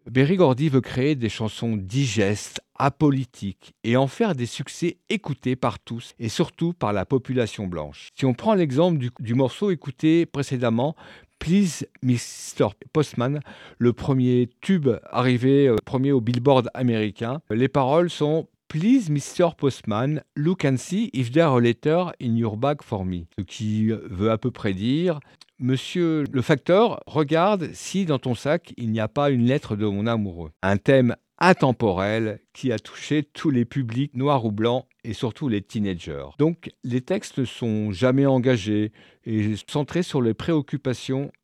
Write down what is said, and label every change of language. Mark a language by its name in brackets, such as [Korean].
[French] Berry Gordy veut créer des chansons digestes, apolitiques, et en faire des succès écoutés par tous, et surtout par la population blanche. Si on prend l'exemple du morceau écouté précédemment, Please Mr. Postman, le premier tube arrivé, premier au Billboard américain. Les paroles sont « Please Mr. [English] Postman, look and see if there's a letter in your bag for me ». [French] Ce qui veut à peu près dire « Monsieur le facteur, regarde si dans ton sac il n'y a pas une lettre de mon amoureux ». Un thème intemporel qui a touché tous les publics, noirs ou blancs, et surtout les teenagers. Donc, les textes sont jamais engagés et centrés sur les préoccupations.